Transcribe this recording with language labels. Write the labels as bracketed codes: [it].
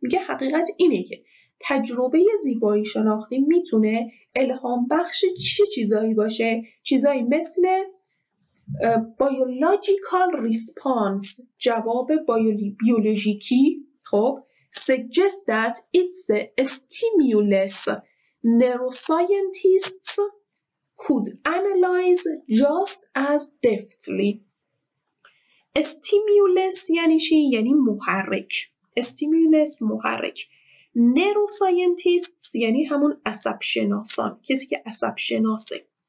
[fa] میگه حقیقت اینه که تجربه زیبایی شناختی میتونه الهام بخش چه چیزایی باشه؟ چیزایی مثل بیولوژیکال ریسپانس، جواب بیولوژیکی. [en] خب suggest that it's a stimulus neuroscientists could analyze just as deftly. [fa] استیمیولس یعنی چی؟ یعنی محرک. استیمیولس محرک. نروساینتیستس یعنی همون عصبشناسان، کسی که عصبشناسه.